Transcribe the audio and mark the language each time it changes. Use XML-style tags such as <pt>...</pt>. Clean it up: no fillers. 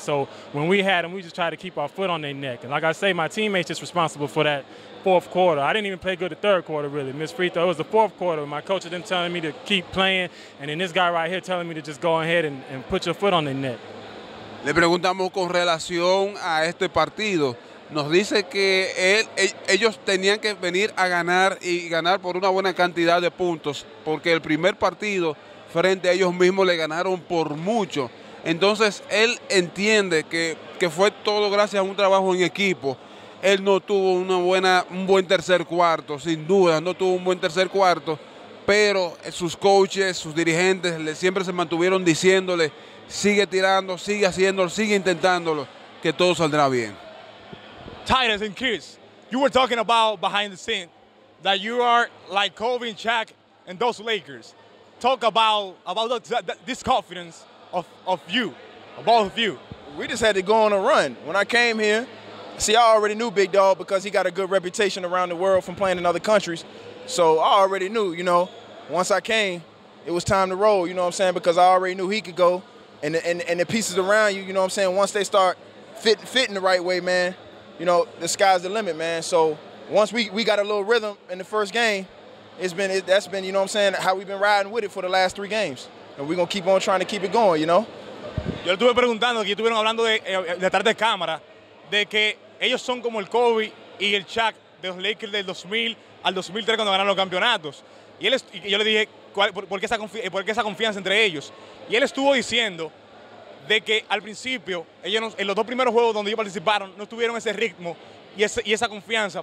<en>So when we had them, we just tried to keep our foot on their neck. And like I say, my teammates just responsible for that fourth quarter. I didn't even play good the third quarter, really. Missed free throw. It was the fourth quarter. My coach had them telling me to keep playing. And then this guy right here telling me to just go ahead and put your foot on their neck.</en> <es>Le preguntamos con relación a este partido. Nos dice que ellos tenían que venir a ganar y ganar por una buena cantidad de puntos, porque el primer partido frente a ellos mismos le ganaron por mucho. Entonces él entiende que fue todo gracias a un trabajo en equipo. Él no tuvo un buen tercer cuarto, sin duda, no tuvo un buen tercer cuarto, pero sus coaches, sus dirigentes siempre se mantuvieron diciéndole: sigue tirando, sigue haciéndolo, sigue intentándolo, que todo saldrá bien.</es> <en>Tyrus and Chris, you were talking about behind the scene that you are like Kobe and Shaq and those Lakers. Talk about this confidence of you, both of you. We just had to go on a run. When I came here, see, I already knew Big Dog because he got a good reputation around the world from playing in other countries. So I already knew, you know, once I came, it was time to roll, you know what I'm saying, because I already knew he could go. And the pieces around you, you know what I'm saying, once they start fitting the right way, man, you know, the sky's the limit, man. So once we got a little rhythm in the first game, That's been, you know what I'm saying, how we've been riding with it for the last three games. And we're going to keep on trying to keep it going, you know?</en> <es>Yo estuve preguntando, aquí estuvieron hablando detrás de cámara, de que ellos son como el Kobe y el Shaq de los Lakers del 2000 al 2003 cuando ganaron los campeonatos. Y yo le dije, ¿por qué esa confianza entre ellos? Y él estuvo diciendo de que al principio, ellos no, en los dos primeros juegos donde ellos participaron, no tuvieron ese ritmo y esa confianza.</es>